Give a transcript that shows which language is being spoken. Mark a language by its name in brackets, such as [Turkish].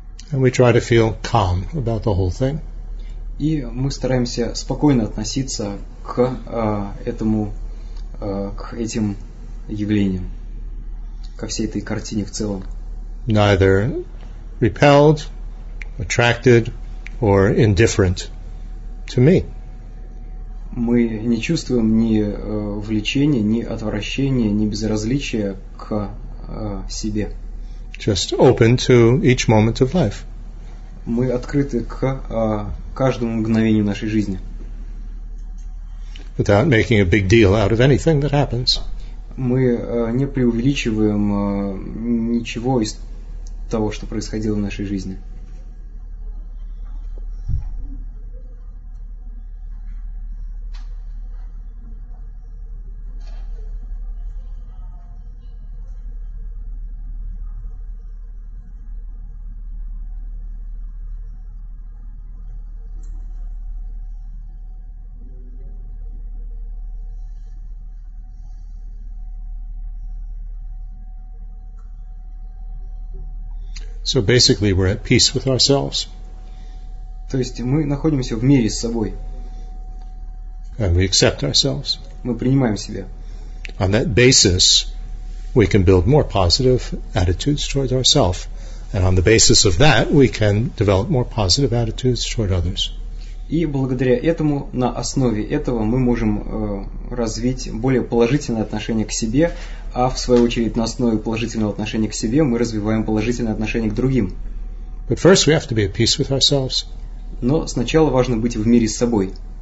[English] And we try to feel calm about the whole thing. [Russian] И мы стараемся спокойно относиться к этому, к этим явлениям, ко всей этой картине в целом. [English] Neither repelled, attracted, or indifferent to me. [Russian] Мы не чувствуем ни влечения, ни отвращения, ни безразличия к себе. [English] Just open to each moment of life. [Russian] Мы открыты к каждому мгновению нашей жизни. [English] Without making a big deal out of anything that happens. [Russian] Мы не преувеличиваем ничего из того, что происходило в нашей жизни. [English] So basically, we're at peace with ourselves. [Russian] То есть мы находимся в мире с собой. [English] And we accept ourselves. [Russian] Мы принимаем себя. [English] On that basis, we can build more positive attitudes towards ourselves, and on the basis of that, we can develop more positive attitudes toward others. [Russian] И благодаря этому, на основе этого, мы можем развить более положительное отношение к себе. А в свою очередь на основе положительного отношения к себе мы развиваем положительное отношение к другим. [English] But first we have to be at peace with ourselves. [Russian] Но сначала важно быть в мире с собой.